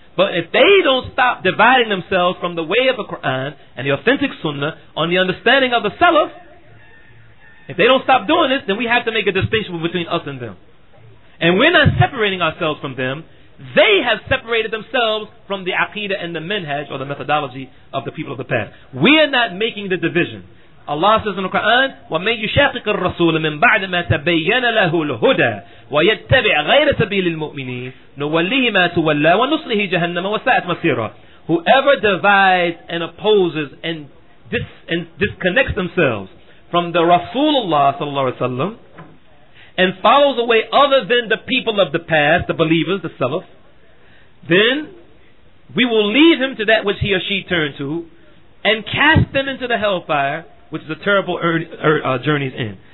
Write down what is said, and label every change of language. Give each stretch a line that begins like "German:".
English: But if they don't stop dividing themselves from the way of the Quran and the authentic Sunnah on the understanding of the Salaf, if they don't stop doing this, then we have to make a distinction between us and them. And we're not separating ourselves from them. They have separated themselves from the Aqidah and the Minhaj, or the methodology of the people of the past. We are not making the division. Allah says in the Quran,
Arabic: وَمَنْ يُشَاقِقِ الرَّسُولَ مِنْ بَعْدَ مَا تَبَيَّنَ لَهُ الْهُدَى وَيَتَّبِعْ غَيْرَ سَبِيلِ الْمُؤْمِنِينَ نُوَلِّهِ مَا تُوَلَّى وَنُصْلِهِ جَهَنَّمَ وَسَاءَتْ مَصِيرًا.
English: Whoever divides and opposes and disconnects themselves from the Rasulullah sallallahu alaihi wasallam and follows a way other than the people of the past, the believers, the Salaf, then we will lead him to that which he or she turned to and cast them into the hellfire, which is a terrible journey's end.